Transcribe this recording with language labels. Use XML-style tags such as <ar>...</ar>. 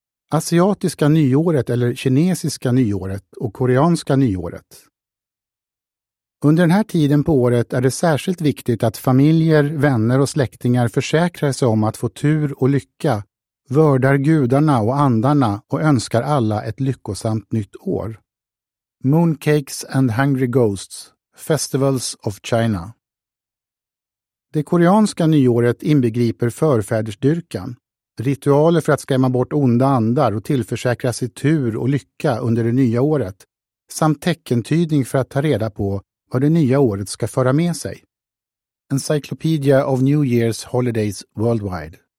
<sv>Asiatiska nyåret eller kinesiska nyåret och koreanska nyåret. Under den här tiden på året är det särskilt viktigt att familjer, vänner och släktingar försäkrar sig om att få tur och lycka, vördar gudarna och andarna och önskar alla ett lyckosamt nytt år.</sv> <en>Mooncakes and Hungry Ghosts, Festivals of China.</en> <sv>Det koreanska nyåret inbegriper förfädersdyrkan, ritualer för att skrämma bort onda andar och tillförsäkra sig tur och lycka under det nya året, samt teckentydning för att ta reda på vad det nya året ska föra med sig.</sv> <en>Encyclopedia of New Year's Holidays Worldwide.</en>